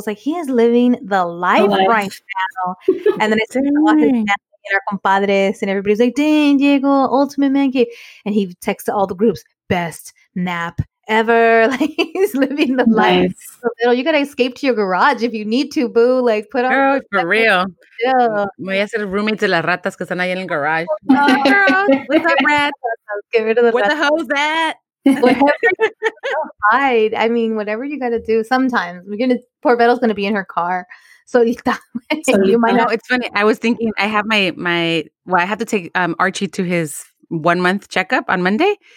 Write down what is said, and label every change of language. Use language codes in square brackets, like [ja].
[en] I was like, he is living the life right now. And then I said, and our compadres and everybody's like, dang, Diego, ultimate man cave. And he texted all the groups, best nap ever, like he's living the life. So, you gotta escape to your garage if you need to, boo. Like, put on girl, like, for real. Yeah, [es] voy a ser roommate de las ratas que están ahí en el garage. [en] Girl, what's up, rats? Get rid of the rats. Where the hell's that? Hide. I mean, whatever you gotta do. Sometimes poor Vettel's gonna be in her car. So you might know. It's funny. I was thinking. I have my I have to take Archie to his 1 month checkup on Monday.